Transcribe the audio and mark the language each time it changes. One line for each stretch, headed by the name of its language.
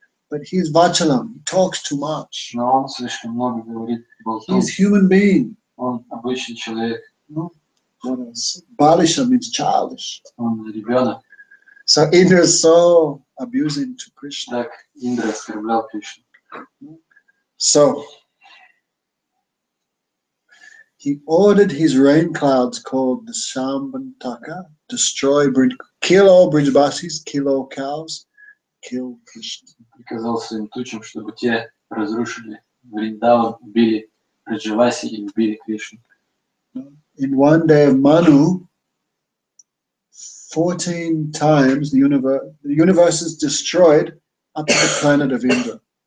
English: But he is Vachalam, he talks too much. No,
Russian: он слишком много говорит болтун.
English: He is human being.
Russian: Он обычный человек.
English: No. Balisha means childish.
Russian: Он ребенок.
English: So Indra is so abusing to Krishna.
Russian: Так Индра оскорблял Кришну.
English: So he ordered his rain clouds called the Sambantaka, destroy, kill all Vrajavasis, kill all cows, kill Krishna.
Russian: Приказал своим тучам, чтобы те разрушили Вриндаван, убили Раджаваси и убили Кришну.
English: In one day of Manu, 14 times the universe is destroyed up to the planet of Indra.